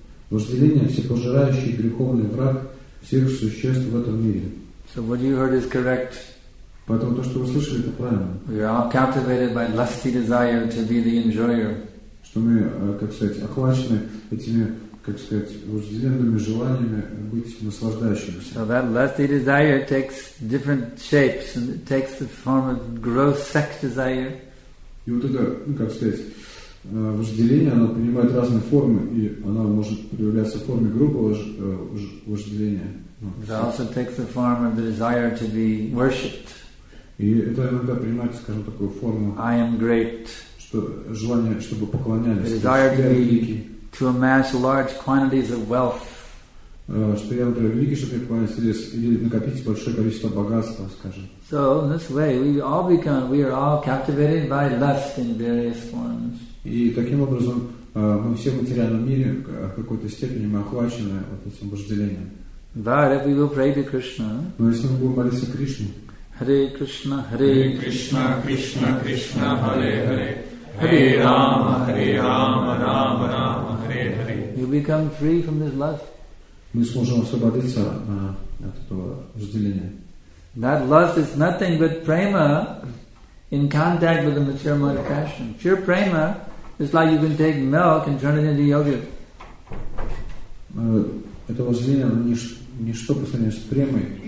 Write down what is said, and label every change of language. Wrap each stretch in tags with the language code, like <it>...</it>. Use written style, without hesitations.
<ru>Вожделение всепожирающий греховный враг всех существ в этом мире.</ru> <en>So what you heard is correct.</en> <ru>Поэтому то, что вы слышали, это правильно.</ru> <en>We are all captivated by lusty desire to be the enjoyer.</en> <ru>Что мы, как сказать, охвачены этими, как сказать, вожделенными желаниями быть наслаждающимися.</ru> <en>So that lusty desire takes different shapes and it takes the form of gross sex desire.</en> <ru>И вот это, ну, как сказать, вожделение, оно принимает разные формы, и оно может проявляться в форме грубого вожделения.</ru> <en>It also takes the form of the desire to be worshipped.</en> <ru>И это иногда принимает, скажем, такую форму.</ru> <en>I am great.</en> <ru>Что желание, чтобы поклонялись.</ru> <en>The desire to be, to amass large quantities of wealth.</en> <ru>Что я например, великий, чтобы поклонялись или накопить большое количество богатства, скажем.</ru> <en>So in this way, we are all captivated by lust in various forms.</en> <ru>И таким образом мы все в материальном мире в какой-то степени мы охвачены вот этим вожделением.</ru> <en>But if we will pray to Krishna.</en> <ru>Но если мы будем молиться Кришне.</ru> <sa>Hare Krishna, Hare Krishna, Krishna Krishna, Hare Hare, Hare Rama, Hare Rama, Rama Rama, Hare Hare.</sa> <en>You become free from this lust.</en> <ru>Мы сможем освободиться от этого вожделения.</ru> <en>That lust is nothing but prema in contact with the material mode of passion. Pure prema is like you can take milk and turn it into yogurt.</en> <ru>Это вожделение, оно ничто по сравнению с премой.</ru>